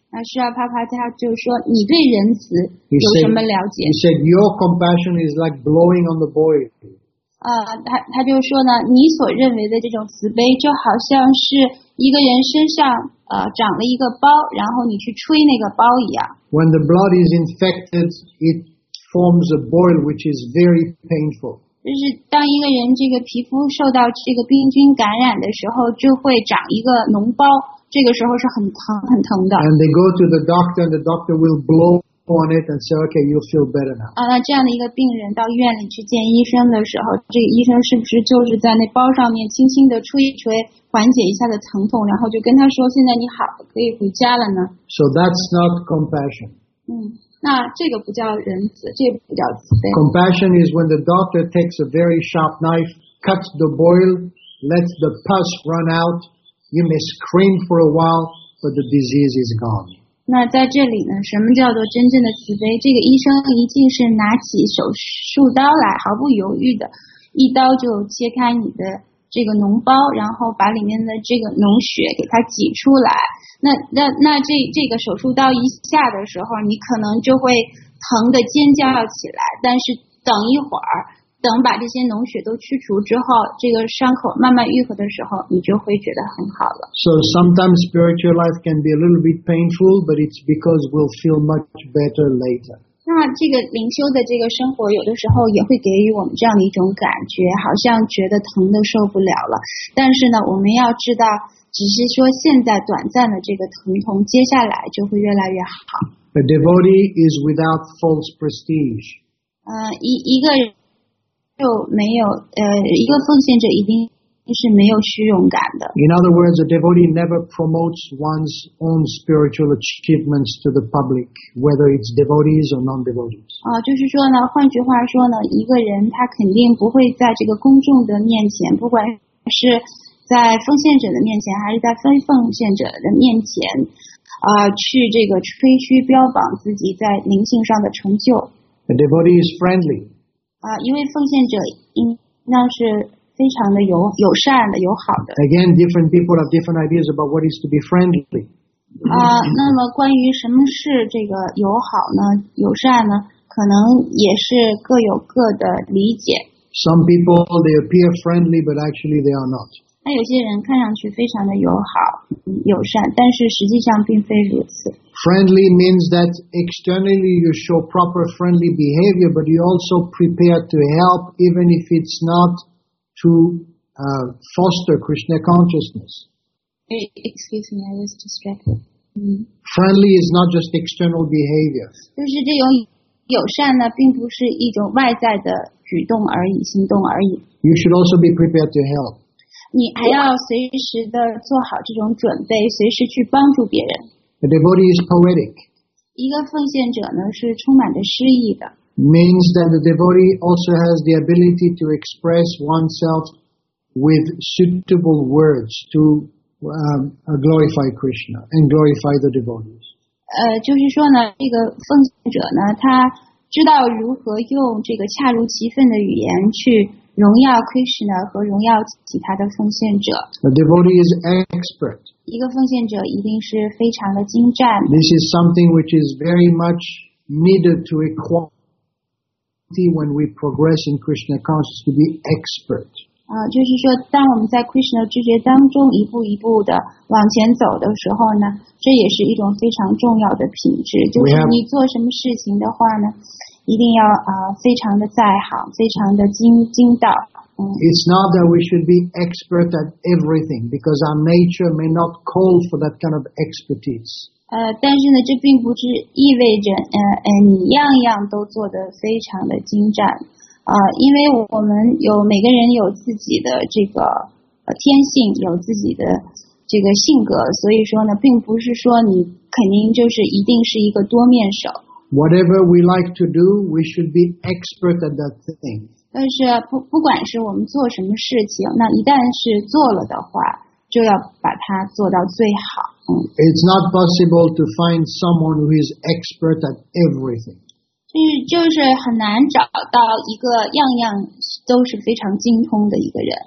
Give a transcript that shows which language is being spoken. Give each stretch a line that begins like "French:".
Chinese: 那是啊，帕帕他就说，你对仁慈有什么了解
English: ？He said, "Your compassion is like blowing on the boil."
Chinese: 他就说呢，你所认为的这种慈悲，就好像是一个人身上长了一个包，然后你去吹那个包一样。
English: When the blood is infected, it forms a boil which is very painful.
Chinese: 就是当一个人这个皮肤受到这个病菌感染的时候，就会长一个脓包，这个时候是很疼很疼的。
English: And they go to the doctor, and the doctor will blow on it and say, "Okay, you'll feel better now."
Chinese: 那这样的一个病人到医院里去见医生的时候，这个医生是不是就是在那包上面轻轻的吹一吹，缓解一下的疼痛，然后就跟他说，现在你好了，可以回家了呢
English: ？So that's not compassion.
Chinese: 那这个不叫仁慈，这个不叫慈悲。
English: Compassion is when the doctor takes a very sharp knife, cuts the boil, lets the pus run out. You may scream for a while, but the disease is gone.
Chinese: 那在这里呢，什么叫做真正的慈悲？这个医生一定是拿起手术刀来，毫不犹豫的，一刀就切开你的这个脓包，然后把里面的这个脓血给它挤出来。那这个手术刀一下的时候，你可能就会疼得尖叫起来。但是等一会儿，等把这些脓血都去除之后，这个伤口慢慢愈合的时候，你就会觉得很好了。
English: So sometimes spiritual life can be a little bit painful, but it's because we'll feel much better later.
Chinese: 那这个灵修的这个生活，有的时候也会给予我们这样的一种感觉，好像觉得疼得受不了了。但是呢，我们要知道。只是说现在短暂的这个疼痛，接下来就会越来越好。
English: A devotee is without false prestige.
Chinese: 一个奉献者一定是没有虚荣感的。
English: In other words, a devotee never promotes one's own spiritual achievements to the public, whether it's devotees or non-devotees.
Chinese: 就是说呢，换句话说呢，一个人他肯定不会在这个公众的面前，不管是在奉献者的面前还是在非奉献者的面前去这个吹嘘标榜自己在灵性上的成就。
English: A devotee is friendly.
Chinese: 因为奉献者应当是非常的友善的友好的。
English: Again, different people have different ideas about what is to be friendly.
Chinese: 那么关于什么是这个友好呢友善呢可能也是各有各的理解。
English: Some people, they appear friendly, but actually they are not.
Chinese: 那有些人看上去非常的友好、友善，但是实际上并非如此。
English: Friendly means that externally you show proper friendly behavior, but you also prepare to help, even if it's not to foster Krishna consciousness. Excuse me, I was distracted. Friendly is not just external behavior.
Chinese: 就是这种友善呢，并不是一种外在的举动而已、行动而已。
English: You should also be prepared to help.
Chinese: 你还要随时的做好这种准备，随时去帮助别人。
English: A devotee is poetic.
Chinese: 一个奉献者呢，是充满着诗意的。
English: Means that the devotee also has the ability to express oneself with suitable words to glorify Krishna and glorify the devotees.
Chinese: 就是说呢，这个奉献者呢，他知道如何用这个恰如其分的语言去荣耀 Krishna 和荣耀其他的奉献者。
English: A devotee is expert.
Chinese: 一个奉献者一定是非常的精湛。
English: This is something which is very much needed to equality when we progress in Krishna consciousness to be expert.
Chinese: 就是说当我们在 Krishna 知觉当中一步一步的往前走的时候呢，这也是一种非常重要的品质，就是你做什么事情的话呢，一定要非常的在行，非常的精到。
English: It's not that we should be expert at everything, because our nature may not call for that kind of expertise.
Chinese: 但是呢，这并不是意味着你样样都做得非常的精湛，因为我们有每个人有自己的这个天性，有自己的这个性格，所以说呢，并不是说你肯定就是一定是一个多面手。
English: Whatever we like to do, we should be expert at that thing.
Chinese: 但是不管是我们做什么事情，那一旦是做了的话，就要把它做到最好。
English: It's not possible to find someone who is expert at everything.
Chinese: 就是很难找到一个样样都是非常精通的一个人。